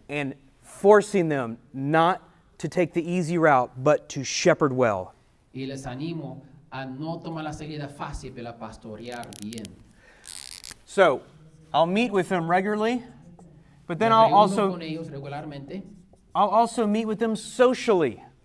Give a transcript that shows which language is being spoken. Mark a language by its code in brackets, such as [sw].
[en] And forcing them not to take the easy route, but to shepherd well. [es] Y les animo a no tomar la salida fácil, pero a pastorear bien. [en] So, I'll meet with them regularly. But then I'll also meet with them socially.